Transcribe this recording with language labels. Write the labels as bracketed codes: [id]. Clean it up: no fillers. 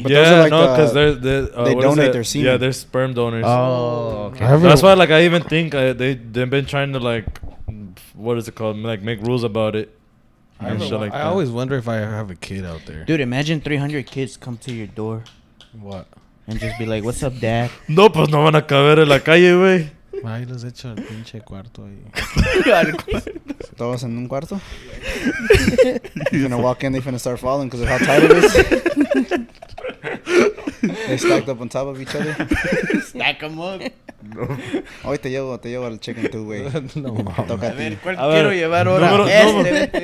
[en] But yeah, those are like no, because they donate their semen. Yeah, they're sperm donors. Oh, okay. That's why, like, I even think they've been trying to like. What is it called? Like, make rules about it. I always wonder if I have a kid out there. Dude, imagine 300 kids come to your door. What? And just be like, what's up, dad? [es] No, pues no van a caber en la calle, güey. Ay, los he hecho al pinche cuarto ahí. ¿Todos en un cuarto? [en] He's gonna walk in, they're gonna start falling because of how tight it is. They stacked up on top of each other. Stack them up. No. [es] Hoy te llevo al [en] chicken too, [es] güey. No, no, no. Toca a ti. Quiero llevar ahora.